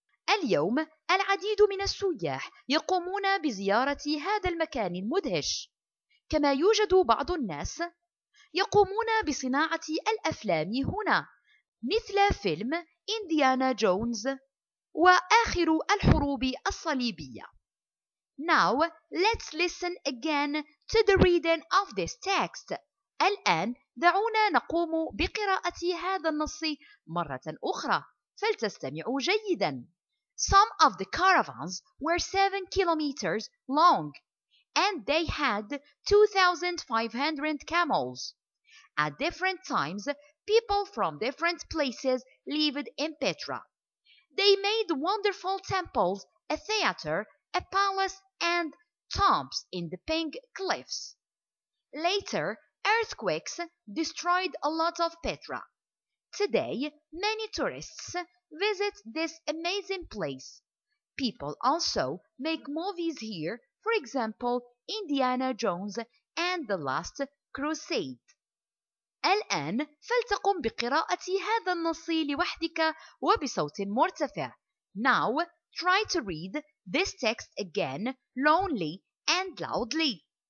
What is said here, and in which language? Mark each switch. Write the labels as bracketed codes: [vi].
[ar] اليوم العديد من السياح يقومون بزيارة هذا المكان المدهش، كما يوجد بعض الناس يقومون بصناعة الأفلام هنا مثل فيلم إنديانا جونز وآخر الحروب الصليبية. [en] Now, let's listen again to the reading of this text. [ar] الآن دعونا نقوم بقراءة هذا النص مرة أخرى، فلتستمعوا جيدا. [en] Some of the caravans were 7 kilometers long and they had 2,500 camels. At different times, people from different places lived in Petra. They made wonderful temples, a theater, a palace, and tombs in the pink cliffs. Later, earthquakes destroyed a lot of Petra. Today, many tourists visit this amazing place. People also make movies here, for example, Indiana Jones and The Last Crusade. [ar] الآن فلتقم بقراءة هذا النص لوحدك وبصوت مرتفع. [en] Now, try to read this text again, lonely and loudly.